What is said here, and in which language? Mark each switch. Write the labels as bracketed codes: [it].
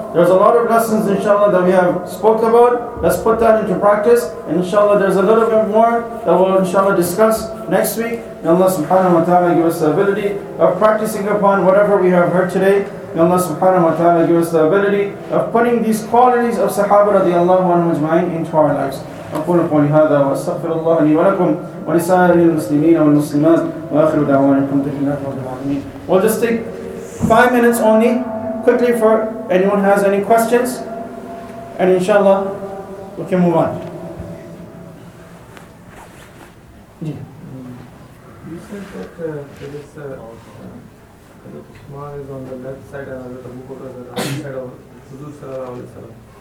[en] There's a lot of lessons, inshallah, that we have spoke about. Let's put that into practice. And inshallah, there's a little bit more that we'll inshallah discuss next week. May Allah subhanahu wa ta'ala give us the ability of practicing upon whatever we have heard today. May Allah subhanahu wa ta'ala give us the ability of putting these qualities of Sahaba radiallahu anhu ajma'in into our lives. [ar] أقول قولي هذا وأستغفر الله لي ولكم ولسائر المسلمين والمسلمات وآخر دعوانا الحمد لله رب العالمين. [en] We'll just take 5 minutes only, quickly, for anyone has any questions, and inshallah we can move on. You said that there is that Usman is on the left side and that Abu Bakr is on the right side of Hazrat Sallallahu Alaihi Wasallam.